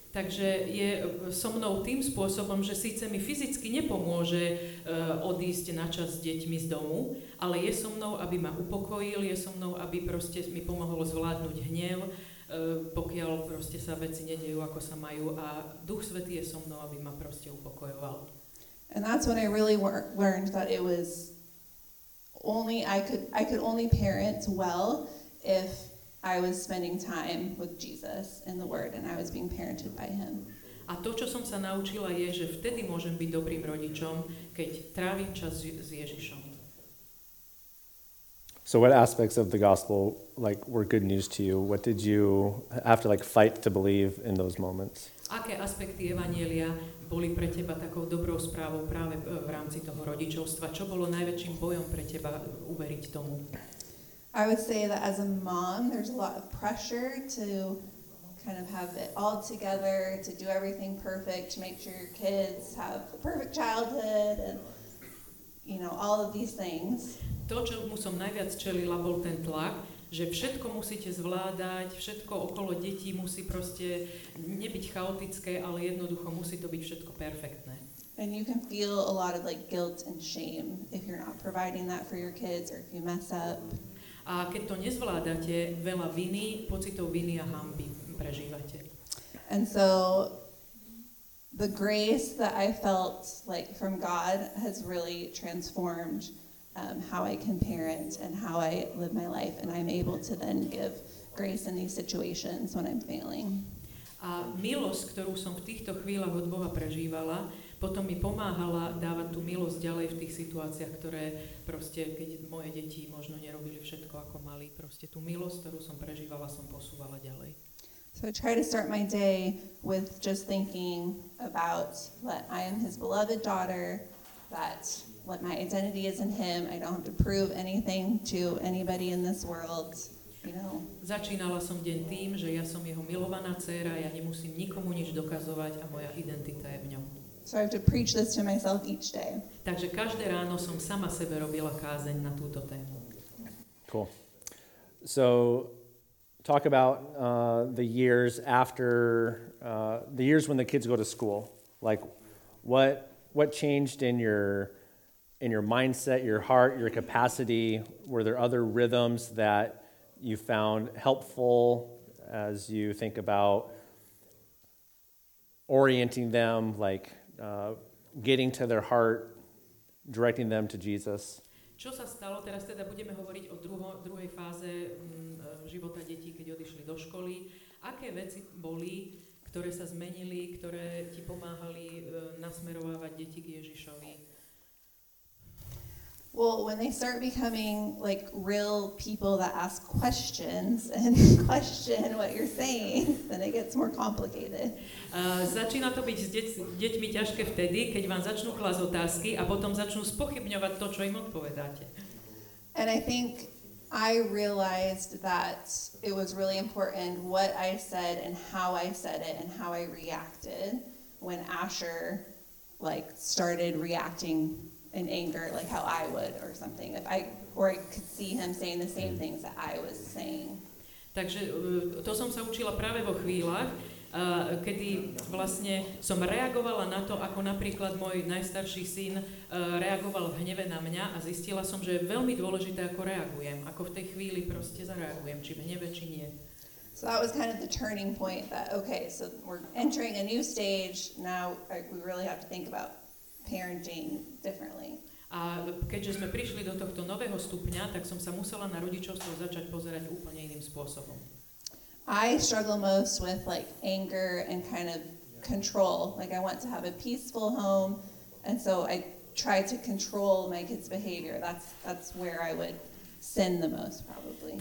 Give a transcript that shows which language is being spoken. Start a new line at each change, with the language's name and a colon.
Slovak: Takže je so mnou tým spôsobom, že síce mi fyzicky nepomôže odísť na čas s deťmi z domu, ale je so mnou, aby ma upokojil, je so mnou, aby proste mi pomohol zvládnuť hnev, pokiaľ proste sa veci nedejú, ako sa majú, a Duch Svätý je so mnou, aby ma proste upokojoval.
English: And that's when I really learned that it was only I could only parent well if I was spending time with Jesus in the Word and I was being parented by him.
Slovak: A to, čo som sa naučila, je, že vtedy môžem byť dobrým rodičom, keď trávim čas s Ježišom.
English: So what aspects of the gospel like were good news to you? What did you have to like fight to believe in those moments?
Slovak: Aké aspekty evanjelia boli pre teba takou dobrou správou práve v rámci toho rodičovstva? Čo bolo najväčším bojom pre teba uveriť tomu?
English: I would say that as a mom, there's a lot of pressure to kind of have it all together, to do everything perfect, to make sure your kids have the perfect childhood and you know, all of these things.
Slovak: To, čo mu som najviac čelila, bol ten tlak, že všetko musíte zvládať, všetko okolo detí musí proste nebyť chaotické, ale jednoducho musí to byť všetko perfektné.
English: And you can feel a lot of like guilt and shame if you're not providing that for your kids or if you mess up.
Slovak: A keď to nezvládate, veľa viny, pocitov viny a hanby prežívate.
English: And so the grace that I felt like from God has really transformed how I can parent and how I live my life, and I'm able to then give grace in these situations when I'm failing.
Slovak: A milosť, ktorú som v týchto chvíľach od Boha prežívala, potom mi pomáhala dávať tú milosť ďalej v tých situáciách, ktoré proste, keď moje deti možno nerobili všetko, ako mali, proste tú milosť, ktorú som prežívala, som posúvala ďalej.
English: So I try to start my day with just thinking about that I am his beloved daughter, that what my identity is in him, I don't have to prove anything to anybody in this world.
Slovak: Začínala som deň tým, že ja som jeho milovaná dcéra, ja nemusím nikomu nič dokazovať a moja identita je v ňom.
English: So I have to preach this to myself each day.
Slovak: Takže každé ráno som sama sebe robila kázeň na túto tému.
English: Cool. So talk about the years after the years when the kids go to school. Like what changed in your mindset, your heart, your capacity? Were there other rhythms that you found helpful as you think about orienting them, like getting to their heart, directing them to Jesus?
Slovak: Čo sa stalo? Teraz teda budeme hovoriť o druhej fáze života detí, keď odišli do školy. Aké veci boli, ktoré sa zmenili, ktoré ti pomáhali nasmerovávať deti k Ježišovi?
English: Well, when they start becoming like real people that ask questions and question what you're saying, then it gets more complicated.
Slovak: Začína to byť s deťmi ťažké vtedy, keď vám začnú klásť otázky a potom začnú spochybňovať to, čo im odpovedáte.
English: And I think I realized that it was really important what I said and how I said it and how I reacted when Asher like started reacting in anger, like how I would or something, I could see him saying the same things that I was saying.
Slovak: Takže to som sa učila práve vo chvíľach, kedy vlastne som reagovala na to, ako napríklad môj najstarší syn reagoval v hneve na mňa a zistila som, že je veľmi dôležité, ako reagujem, ako v tej chvíli proste zareagujem, či v hneve, či nie.
English: So that was kind of the turning point that, okay, so we're entering a new stage, now we really have to think about parenting differently.
Slovak: A keďže sme prišli do tohto nového stupňa, tak som sa musela na rodičovstvo začať pozerať úplne iným spôsobom.
English: I struggle most with like anger and kind of control. Like I want to have a peaceful home, and so I try to control my kids' behavior. That's where I would sin the most probably.